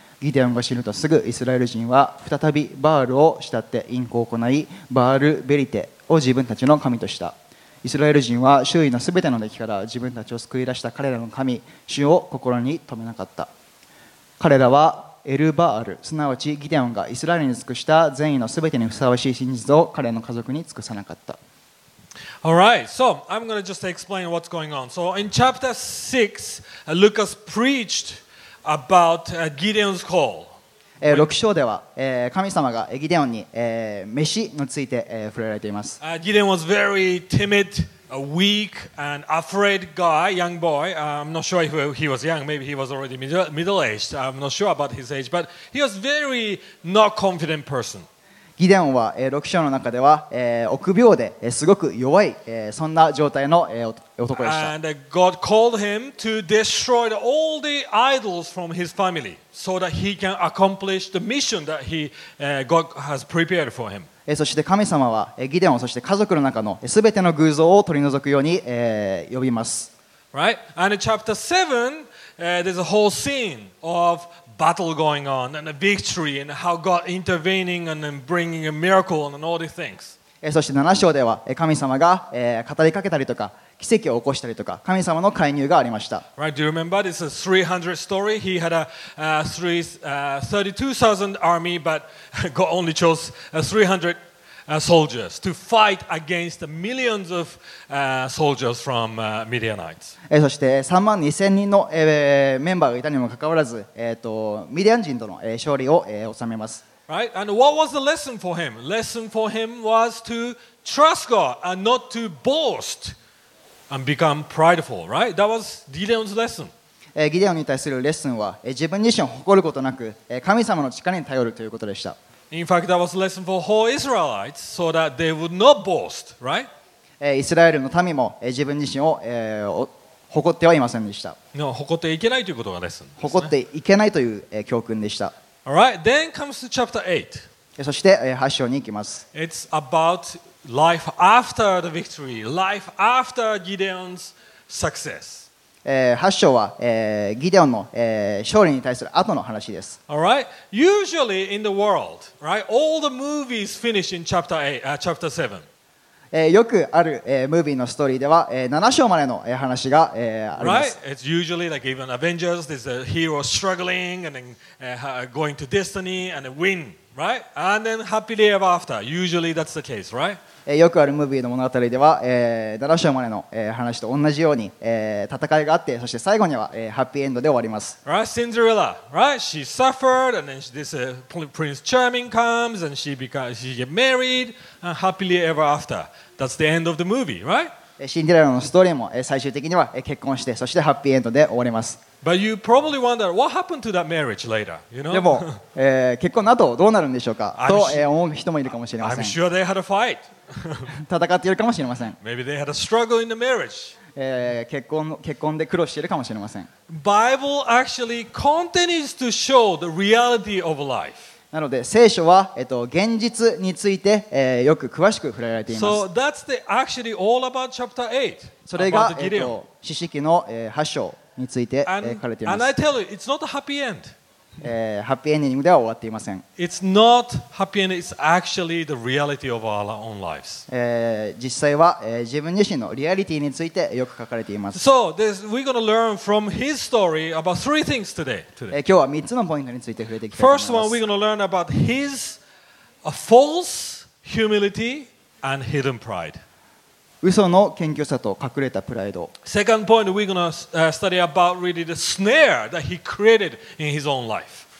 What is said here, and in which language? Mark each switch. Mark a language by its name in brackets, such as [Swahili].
[Japanese] ギデオンが死ぬとすぐイスラエル人は再びバールを慕って印行を行い、バールベリテを自分たちの神とした。イスラエル人は周囲のすべての敵から自分たちを救い出した彼らの神主を心に留めなかった。彼らはエルバール、すなわちギデオンがイスラエルに尽くした善意のすべてにふさわしい真実を彼の家族に尽くさなかった。 [English] Alright, so I'm going to just explain what's going on. So in chapter 6, Lucas preached about Gideon's call. [Japanese] 6章では神様がギデオンに召しについて触れられています。 [English] Gideon was very timid, weak, and afraid guy, young boy. I'm not sure if he was young, maybe he was already middle-aged. I'm not sure about his age, but he was very not confident person. [Japanese] ギデオンは6章の中では臆病ですごく弱いそんな状態の男でした。 [English] So that he can accomplish the mission that God has prepared for him. [Japanese] そして神様はギデオン、そして家族の中のすべての偶像を取り除くように呼びます。 [English] Right? And in chapter 7, there's a whole scene ofBattle going on and a victory and how God intervening and then bringing a miracle and all these things. [Japanese] そして7章では神様が語りかけたりとか奇跡を起こしたりとか神様の介入がありました。 [English] Right, do you remember? This is a 300 story. He had a 32,000 army, but God only chose 300 soldiers to fight against millions of soldiers from Midianites. [Japanese] そして3万2000人のメンバーがいたにもかかわらず、ミディアン人との勝利を収めます。 [English] Right, and what was the lesson for him? Lesson for him was to trust God and not to boast and become prideful. Right, that was Gideon's lesson. [Japanese] Gideon に対するレッスンは、自分自身を誇ることなく、神様の力に頼るということでした。 [English] In fact, that was a lesson for whole Israelites, so that they would not boast. Right? [Japanese] イスラエルの民も自分自身を誇ってはいませんでした。 No, 誇っていけないということがレッスンですね。誇っていけないという教訓でした。 [English] All right, then comes to chapter 8. [Japanese] そして8章に行きます。 [English] It's about life after the victory, life after Gideon's success. [Japanese] 8章は、ギデオンの、勝利に対する後の話です。 [English] All right, usually in the world, right, all the movies finish in chapter 8, chapter 7. [Japanese] よくある、ムービーのストーリーでは、7章までの、話が、あります。 [English] Right? It's usually like even Avengers, there's a hero struggling and then going to destiny and a win, right? And then happily ever after. Usually that's the case, right? [Japanese] よくあるムービーの物語では、7章までの、話と同じように、戦いがあって、そして最後には、ハッピーエンドで終わります。 [English] Right? Cinderella, right? She suffered and then this Prince Charming comes and she get married and happily ever after. That's the end of the movie, right? [Japanese] シンデレラのストーリーも、最終的には、結婚して、そしてハッピーエンドで終わります。 [English] But you probably wonder what happened to that marriage later, you know? [Japanese] でも、結婚の後どうなるんでしょうかと、思う人もいるかもしれません。 [English] I'm sure they had a fight. [Japanese] 戦っているかもしれません。 [English] Maybe they had a struggle in the marriage. [Japanese] 結婚で苦労しているかもしれません。 [English] Bible actually continues to show the reality of life. [Japanese] なので聖書は、現実について、よく詳しく触れられています。 [English] So that's the actually all about chapter 8. [Japanese] それが詩式の、8章について、書かれています。 [English] And I tell you, it's not a happy end. [Japanese] ハッピーエンディングでは終わっていません。 [English] It's not happy ending, it's actually the reality of our own lives. [Japanese] 実際は、自分自身のリアリティについてよく書かれています。 [English] So, we're going to learn from his story about three things today. [Japanese] 今日は3つのポイントについて触れていきたいと思います。 [English] First one, we're going to learn about his false humility and hidden pride. [Japanese] 嘘の謙虚さと隠れたプライド。 [English] Second point, we're going to study about really the snare that he created in his own life.